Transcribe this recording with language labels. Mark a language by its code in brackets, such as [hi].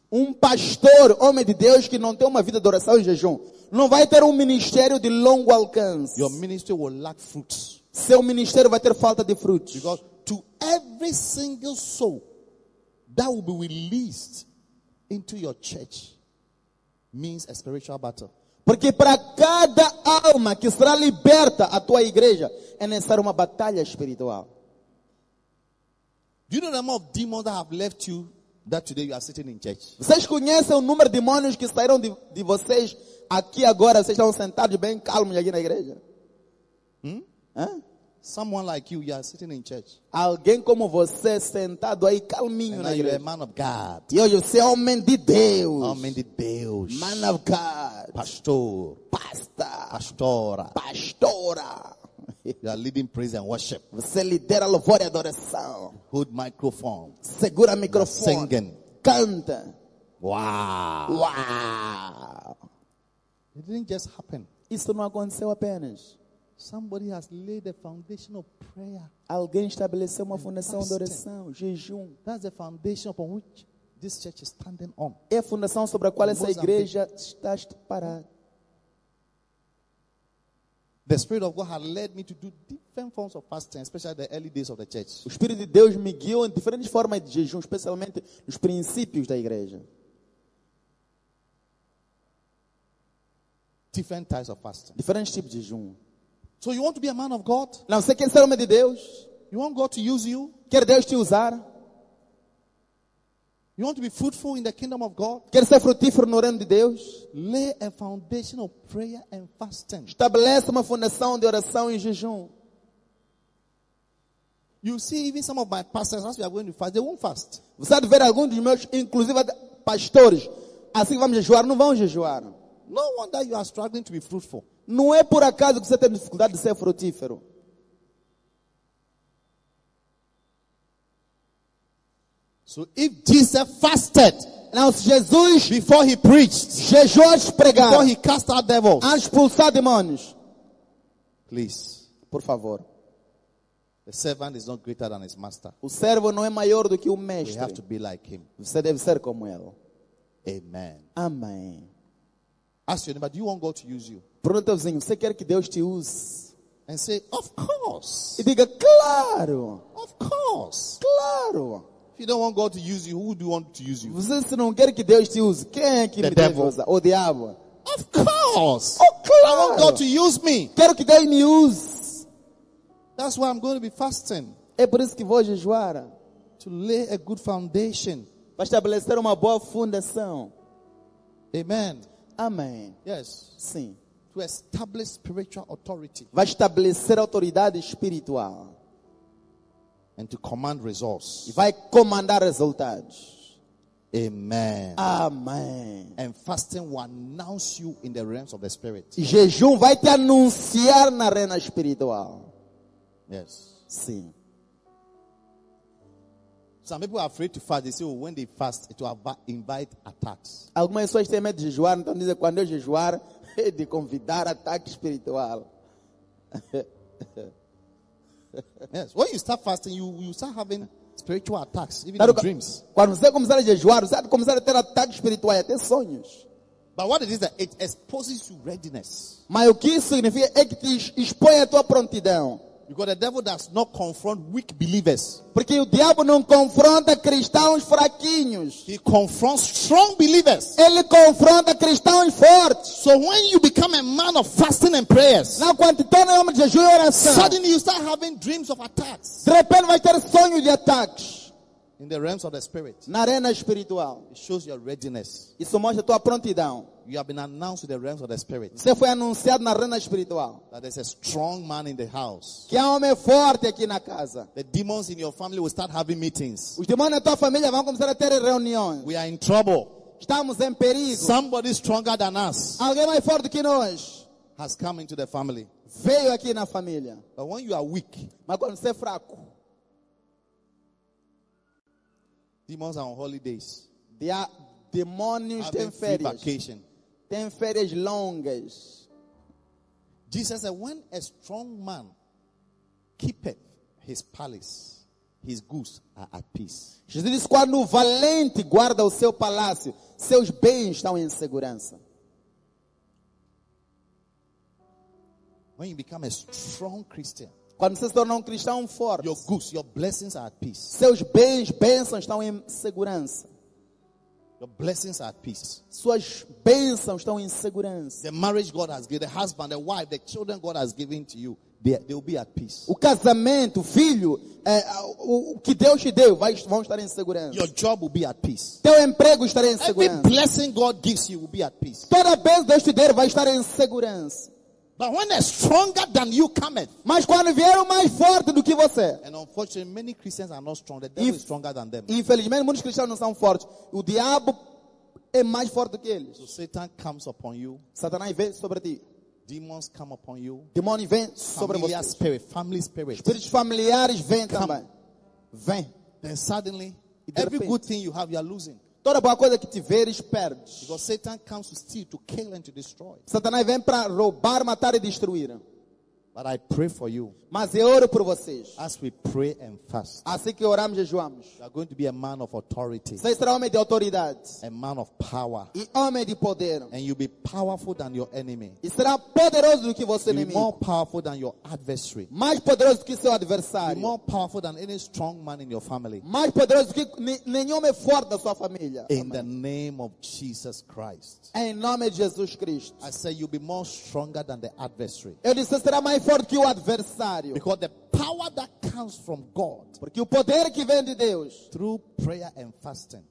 [pt] Um pastor, homem de Deus, que não tem uma vida de oração e jejum, não vai ter ministério de longo alcance. [en] Your ministry will lack fruits. [pt] Seu ministério vai ter falta de frutos. [en] Because to every single soul that will be released into your church means a spiritual battle. [pt] Porque para cada alma que será liberta à tua igreja, é necessária uma batalha espiritual. [en] Do you know the number of demons that have left you that today you are sitting in church? [pt] Vocês conhecem o número de demônios que saíram de vocês aqui agora, vocês estão sentados bem calmos aqui na igreja? [en] Someone like you are sitting in church. [pt] Alguém como você sentado aí calminho [en] and [pt] na igreja. [en] A man of God. [pt] E hoje você é homem de Deus. Homem de Deus. [en] Man of God. Pastor. [pt] Pastor. Pastora. Pastora. [en] You are leading praise and worship. [pt] Você lidera louvor e adoração. [en] Hold microphone. [pt] Segura microfone. [en] Singing. [pt] Canta. [en] Wow. [pt] Wow. [en] It didn't just happen. [pt] Isso não aconteceu apenas. [en] Somebody has laid the foundation of prayer. [pt] Alguém estabeleceu uma fundação de oração, jejum. [en] That's the foundation upon which this church is standing on. [pt] É a fundação sobre a qual essa igreja está parada. [en] The Spirit of God had led me to do different forms of fasting, especially the early days of the church. [pt] O Espírito de Deus me guiou em diferentes formas de jejum, especialmente nos princípios da igreja. [en] Different types of fasting. [pt] Diferentes tipos de jejum. [en] So you want to be a man of God? [pt] Não, você quer ser homem de Deus? [en] You want God to use you? [pt] Quer Deus te usar? [en] You want to be fruitful in the kingdom of God? [pt] Quer ser frutífero no reino de Deus? [en] Lay a foundation of prayer and fasting. [pt] Estabelece uma fundação de oração e jejum. [en] You see, even some of my pastors, as we are going to fast, they won't fast. [pt] Você vai ver alguns dos meus, inclusive pastores, assim que vamos jejuar, não vão jejuar. [en] No wonder you are struggling to be fruitful. [pt] Não é por acaso que você tem dificuldade de ser frutífero. [en] So if Jesus fasted, now Jesus before he preached, [pt] Jesus pregar, [en] before he cast out devils, [pt] antes expulsar demônios. [en] Please, [pt] por favor. [en] The servant is not greater than his master. [pt] O servo não é maior do que o mestre. [en] We have to be like him. [pt] Você deve ser como ele. [en] Amen. [pt] Amém. [en] Ask your neighbor, do you want God to use you? [pt] Pergunta ao vizinho, você quer que Deus te use? [en] And say, of course. [pt] E diga, claro. [en] Of course. [pt] Claro. [en] You don't want God to use you. Who do you want to use you? [pt] Você não quer que Deus te use? Quem é que [en] the devil. [pt] Usa? O diabo. [en] Of course. [pt] Oh, claro. [en] I want God to use me. [pt] Quero que Deus me use. [en] That's why I'm going to be fasting. [pt] É por isso que vou jejuar. [en] To lay a good foundation. [pt] Para estabelecer uma boa fundação. [en] Amen. [pt] Amém. [en] Yes. [pt] Sim. [en] To establish spiritual authority. [pt] Vai estabelecer autoridade espiritual. [en] And to command results. [pt] E vai comandar resultados. [en] Amen. [pt] Amen. [en] And fasting will announce you in the realms of the spirit. [pt] E jejum vai te anunciar na arena espiritual. [en] Yes. [pt] Sim. [en] Some people are afraid to fast. They say, oh, when they fast, it will invite attacks. [pt] Algumas pessoas têm medo de jejuar, então dizem quando eu jejuar, é de convidar ataque espiritual. [en] Yes. When you start fasting, you start having spiritual attacks, even claro, in dreams. [pt] Quando você começar a jejuar, você começar a ter ataques espirituais, até sonhos. [en] But what it is that it exposes you readiness. [pt] Mas o que isso significa é que te expõe a tua prontidão. [en] Because the devil does not confront weak believers. [pt] Porque o diabo não confronta cristãos fraquinhos. [en] He confronts strong believers. [pt] Ele confronta cristãos fortes. [en] So when you become a man of fasting and prayers, [pt] now quando te torna homem de jejum e oração, [en] suddenly you start having dreams of attacks. [pt] De repente vai ter sonho de ataques. [en] In the realms of the spirit. [pt] Na arena espiritual. [en] It shows your readiness. [pt] Isso mostra tua prontidão. [en] You have been announced in the realms of the spirit. [pt] Você foi anunciado na arena espiritual. [en] That there's a strong man in the house. [pt] Que há homem forte aqui na casa. [en] The demons in your family will start having meetings. [pt] Os demônios na tua família vão começar a ter reuniões. [en] We are in trouble. [pt] Estamos em perigo. [en] Somebody stronger than us. [pt] Alguém mais forte que nós. [en] Has come into the family. [pt] Veio aqui na família. [en] But when you are weak. [pt] Mas quando você é fraco. [en] Demons are on holidays. They are [pt] demônios têm férias. [en] Vacation. [pt] Têm férias longas. [en] Jesus said, when a strong man keepeth his palace, his goose are at peace. [pt] Jesus disse, quando o valente guarda o seu palácio, seus bens estão em segurança. [en] When you become a strong Christian, [pt] quando você se torna um cristão forte, [en] your goods, your blessings are at peace. [pt] Seus bens, bênçãos estão em segurança. [en] Your blessings are at peace. [pt] Suas bênçãos estão em segurança. [en] The marriage God has given, the husband, the wife, the children God has given to you, they will be at peace. [pt] O casamento, o filho, o que Deus te deu, vão estar em segurança. [en] Your job will be at peace. [pt] Teu emprego estará em segurança. [en] Every blessing God gives you will be at peace. [pt] Toda bênção Deus te der vai estar em segurança. [en] But when a stronger than you cometh, [pt] mas quando vier o mais forte do que você, [en] and unfortunately many Christians are not strong, the devil is stronger than them. [pt] Infelizmente muitos cristãos não são fortes, o diabo é mais forte do que eles. [en] So Satan comes upon you, [pt] Satanás vem sobre ti. [en] Demons come upon you, [pt] demônios vêm sobre você. [en] Familiar spirit, family spirit, [pt] espíritos familiares vêm também. Vem. [en] Then suddenly, every good thing you have, you are losing. [pt] Toda boa coisa que tiveres perdes. [en] Because Satan comes to steal, to kill and to destroy. [pt] Satanás vem para roubar, matar e destruir. [en] But I pray for you. [pt] Mas eu oro por vocês. [en] As we pray and fast. [pt] Assim que oramos e jejuamos. [en] You are going to be a man of authority. [pt] Você será homem de autoridade. [en] A man of power. [pt] E homem de poder. [en] And you'll be powerful than your enemy. [pt] E será poderoso do que você inimigo. [en] More powerful than your adversary. [pt] Mais poderoso do que seu adversário. [en] More powerful than any strong man in your family. [pt] Mais poderoso do que nenhum homem forte da sua família. [en] In the name of Jesus Christ. [pt] Em nome de Jesus Cristo. [en] I say you'll be more stronger than the adversary. [pt] Eu disse, será mais forte que o adversário. [en] Because the power that comes from God, [pt] porque o poder que vem de Deus, [en] through prayer and fasting,